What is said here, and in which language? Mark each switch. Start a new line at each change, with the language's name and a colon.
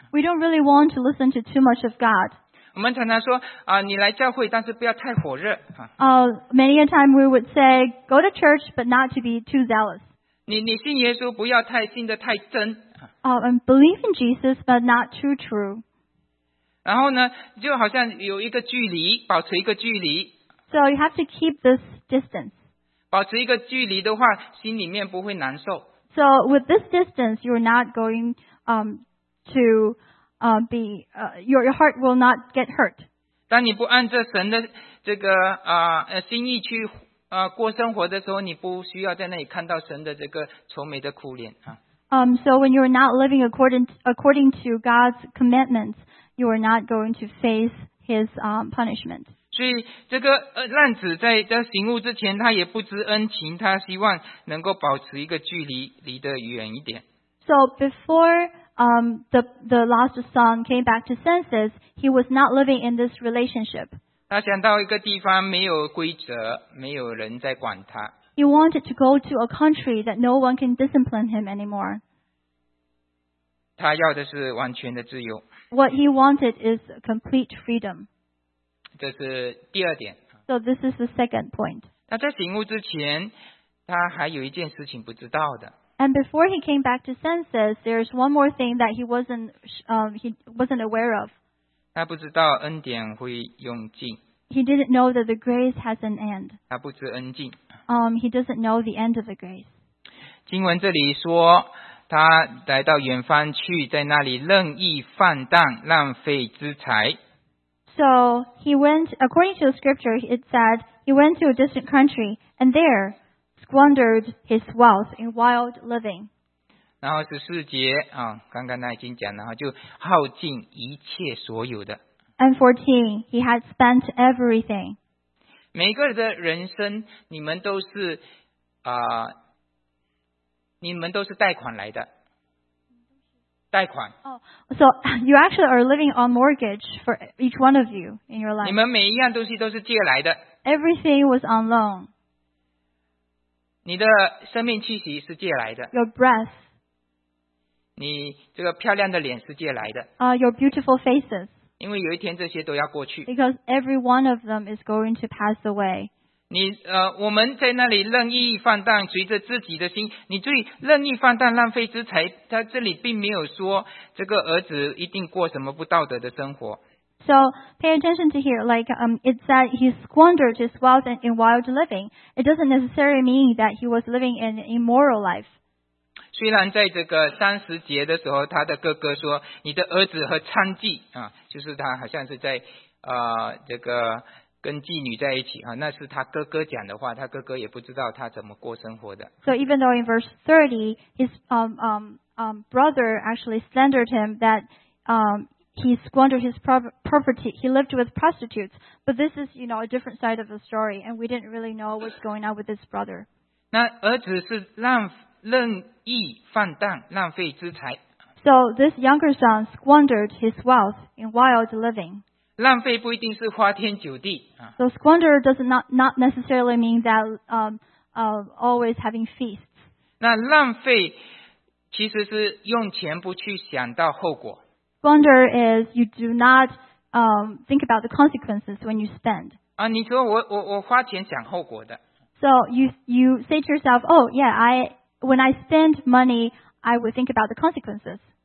English: We don't really want to listen to too much of God.
Chinese: 我们常常说你来教会，但是不要太火热。
English: Many a time we would say, go to church, but not to be too zealous.
Chinese: 你信耶稣不要太信得太真。
English: And believe in Jesus, but not too true.
Chinese: 然后呢，就好像有一个距离，保持一个距离。
English: So you have to keep this distance.
Chinese: 保持一个距离的话，心里面不会难受。
English: So with this distance, you're not going to be your heart will not get hurt.
Chinese: 当你不按着神的这个心意去。过生活的时候你不需要在那里看到神的这个愁眉的苦脸。
English: So when you're not living according to God's commandments, you are not going to face his punishment.
Chinese: 所以这个浪子在行路之前他也不知恩情，他希望能够保持一个距离，离得远一点。
English: So before the lost son came back to senses, he was not living in this relationship.
Chinese: 他想到一个地方没有规则，没有人在管他。
English: He wanted to go to a country that no one can discipline him anymore.
Chinese: 他要的是完全的自由。
English: What he wanted is complete freedom.
Chinese: 这是第二点。
English: So this is the second point.
Chinese: 他在醒悟之前，他还有一件事情不知道的。
English: And before he came back to senses, there's one more thing that he wasn't aware of.
Chinese: 他不知道恩典会用尽。
English: He didn't know that the grace has an end.
Chinese: 他不知恩尽。
English: He doesn't know the end of the grace.
Chinese: 经文这里说，他来到远方去，在那里任意放荡，浪费资财。
English: So he went, according to the scripture, it said he went to a distant country and there squandered his wealth in wild living.
Chinese: 然后十四节刚刚他已经讲，然后就耗尽一切所有的。
English: And 14, he had spent everything.
Chinese: 每个人的人生，你们都是你们都是贷款来的，贷款。
English: So you actually are living on mortgage for each one of you in your life.
Chinese: 你们每一样东西都是借来的。
English: Everything was on loan.
Chinese: 你的生命气息是借来的。
English: Your breath.
Chinese: 你这个漂亮的脸是借来的。
English: Your beautiful faces.
Chinese: 因为有一天这些都要过去。
English: Because every one of them is going to pass away.
Chinese: 你我们在那里任意放荡，随着自己的心，你最任意放荡浪费资财，他这里并没有说这个儿子一定过什么不道德的生活。
English: So pay attention to here, it said he squandered his wealth in wild living. It doesn't necessarily mean that he was living an immoral life.
Chinese: 虽然在这个三十节的时候，他的哥哥说：“你的儿子和娼妓就是他好像是在这个跟妓女在一起那是他哥哥讲的话，他哥哥也不知道他怎么过生活的。
English: ”So even though in verse 30, his brother actually slandered him that he squandered his property. He lived with prostitutes, but this is a different side of the story, and we didn't really know what's going on with his brother.
Chinese: 那儿子是任意放荡，浪费资财。
English: So this younger son squandered his wealth in wild living.
Chinese: 浪费不一定是花天酒地。
English: So squander does not necessarily mean that always having feasts.
Chinese: 那浪费其实是用钱不去想到后果。
English: Squander is you do not think about the consequences when you spend.
Chinese: 你说我花钱想后果的。
English: So you say to yourself, oh yeah, I... When I spend money, I would think about the consequences.